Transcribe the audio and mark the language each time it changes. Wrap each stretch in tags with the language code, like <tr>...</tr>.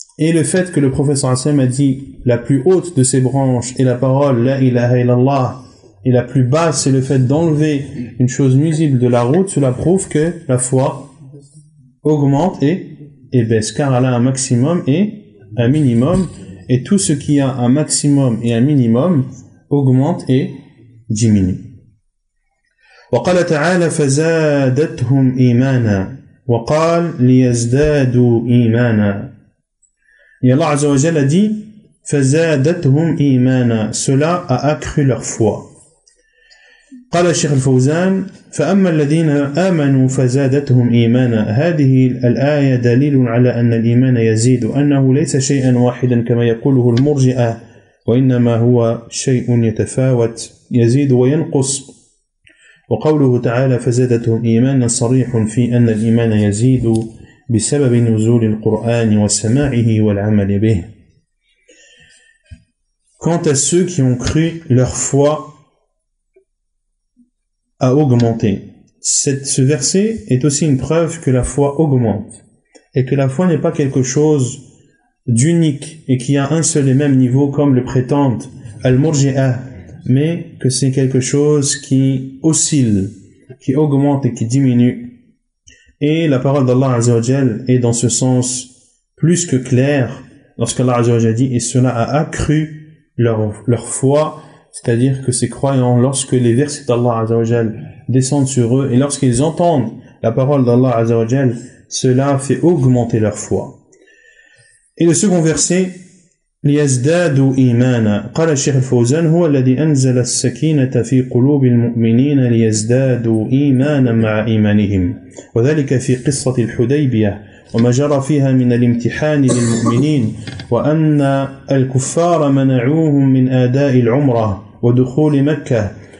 <fr>Et le fait que le prophète sallam a dit la plus haute de ces branches est la parole</fr> <ar>la ilaha illallah,</ar> <fr>et la plus basse c'est le fait d'enlever une chose nuisible de la route, cela prouve que la foi augmente et baisse, car elle a un maximum et un minimum. Et tout ce qui a un maximum et un minimum augmente et diminue.</fr> <ar>وقال تعالى فزادتهم إيمانا وقال ليزدادوا إيمانا.</ar> <fr>Et Allah Azza wa Jalla a dit</fr> <ar>فزادتهم إيمانا.</ar> <fr>Cela a accru leur foi.</fr> <ar>قال الشيخ الفوزان فأما الذين آمنوا فزادتهم إيمانا هذه الآية دليل على أن الإيمان يزيد وأنه ليس شيئا واحدا كما يقوله المرجئة وإنما هو شيء يتفاوت يزيد وينقص وقوله تعالى فزادتهم إيمانا صريح في أن الإيمان يزيد بسبب نزول القرآن وسماعه والعمل به.</ar> <fr>Quant à ceux qui ont cru, leur foi a augmenté. Ce verset est aussi une preuve que la foi augmente et que la foi n'est pas quelque chose d'unique et qui a un seul et même niveau comme le prétendent Al-Murji'ah, mais que c'est quelque chose qui oscille, qui augmente et qui diminue. Et la parole d'Allah Azza wa Jal est dans ce sens plus que claire lorsqu'Allah Azza wa Jal dit « Et cela a accru leur foi », c'est-à-dire que ces croyants, lorsque les versets d'Allah Azza wa Jal descendent sur eux et lorsqu'ils entendent la parole d'Allah Azza wa Jal, cela fait augmenter leur foi. Et le second verset,</fr> <ar>لِيَزْدَادُوا إِيمَانًا قَالَ الشَّيْخُ الْفَوْزَانُ هُوَ الَّذِي أَنْزَلَ السَّكِينَةَ فِي قُلُوبِ الْمُؤْمِنِينَ لِيَزْدَادُوا إِيمَانًا مَعَ إِيمَانِهِمْ وَذَلِكَ فِي قِصَّةِ الْحُدَيْبِيَةِ وَمَا جَرَى فِيهَا مِنَ الْإِمْتِحَانِ لِلْمُؤْمِنِينَ وَأَنَّ الْكُفَّارَ مَنَعُوهُمْ مِنْ أَدَاءِ الْعُمْرَةِ وَدُخُولِ مَكَّةَ</ar>